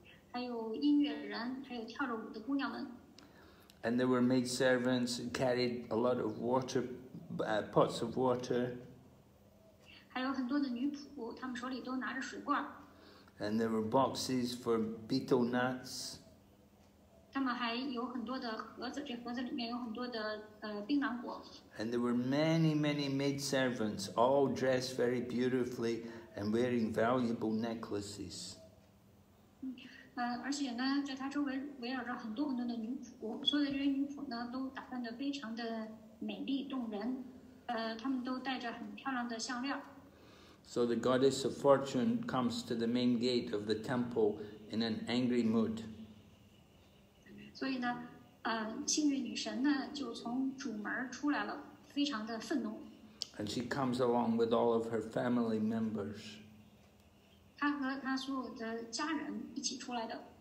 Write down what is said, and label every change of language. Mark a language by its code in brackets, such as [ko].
[zh] 还有音乐人，还有跳着舞的姑娘们。 [en] And there were maid servants who carried a lot of water, pots of water. [zh] 还有很多的女仆，她们手里都拿着水罐。 [en] And there were boxes for betel nuts. [zh] 她们还有很多的盒子，这盒子里面有很多的槟榔果。 [en] And there were many, many maid servants, all dressed very beautifully and wearing valuable necklaces. [zh] 而且呢，在她周围围绕着很多很多的女仆，所有的这些女仆呢，都打扮得非常的美丽动人。他们都戴着很漂亮的项链。 [en] So the goddess of fortune comes to the main gate of the temple in an angry mood. [zh] 所以呢，幸运女神呢就从主门出来了，非常的愤怒。 [en] And she comes along with all of her family members. [zh] 她和她所有的家人一起出来的。